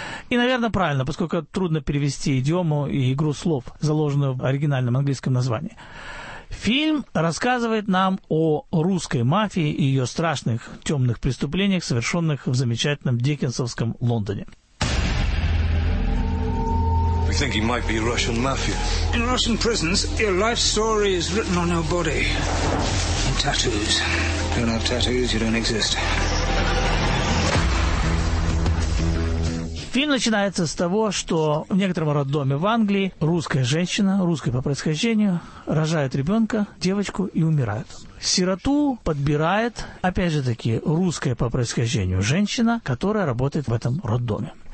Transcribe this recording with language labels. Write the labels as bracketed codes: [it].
[ru] И, наверное, правильно, поскольку трудно перевести идиому и игру слов, заложенную в оригинальном английском названии. Фильм рассказывает нам о русской мафии и ее страшных темных преступлениях, совершенных в замечательном диккенсовском Лондоне. [en] We think he might be Russian mafia. In Russian prisons, your life story is written on your body. In tattoos. If you don't have tattoos, you don't exist. [ru] Фильм начинается с того, что в некотором роддоме в Англии русская женщина, русская по происхождению, рожает ребенка, девочку, и умирает. Сироту подбирает, опять же таки, русская по происхождению женщина, которая работает в этом роддоме.